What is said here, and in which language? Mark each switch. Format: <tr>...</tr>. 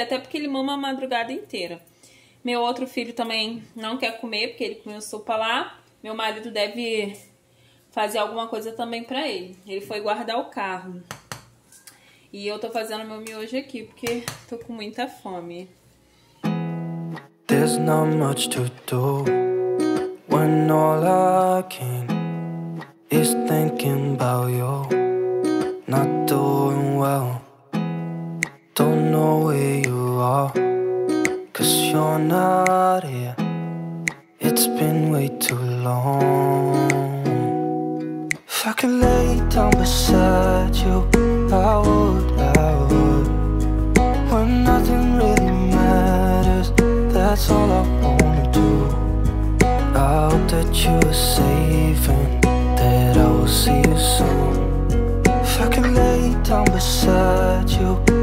<pt>Até porque ele mama a madrugada inteira. Meu outro filho também não quer comer, porque ele comeu sopa lá. Meu marido deve fazer alguma coisa também pra ele. Ele foi guardar o carro. E eu tô fazendo meu miojo aqui, porque tô com muita fome.</pt> <en>There's not much to do when all I can is thinking about you. Not doing well. Don't know where you are. Cause you're not here. It's been way too long. If I could lay down beside you, I would. When nothing really matters, that's all I wanna do. I hope that you're safe and that I will see you soon. If I could lay down beside you,</en>